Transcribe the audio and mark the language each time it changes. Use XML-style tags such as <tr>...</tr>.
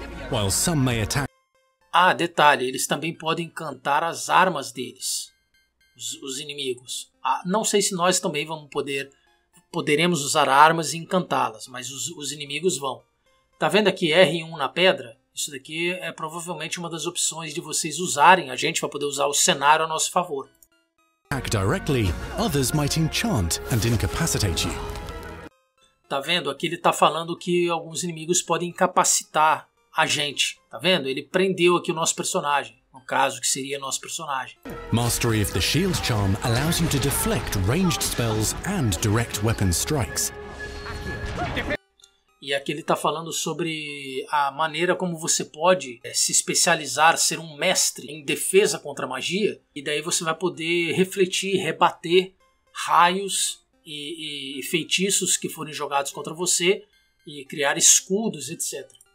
<en>While some may attack...</en> <pt>Ah, detalhe, eles também podem cantar as armas deles, os inimigos. Ah, não sei se nós também vamos poder, poderemos usar armas e encantá-las, mas os inimigos vão. Tá vendo aqui R1 na pedra? Isso daqui é provavelmente uma das opções de vocês usarem, a gente vai poder usar o cenário a nosso favor.</pt> <en>Attack directly, others might enchant and incapacitate you.</en> <pt>Tá vendo? Aqui ele tá falando que alguns inimigos podem incapacitar a gente, tá vendo? Ele prendeu aqui o nosso personagem, no caso, que seria nosso personagem.</pt> <en>Mastery of the Shield Charm allows you to deflect ranged spells and direct weapon strikes.</en> <pt>E aqui ele tá falando sobre a maneira como você pode se especializar, ser um mestre em defesa contra a magia, e daí você vai poder refletir, rebater raios e feitiços que forem jogados contra você e criar escudos, etc.</pt>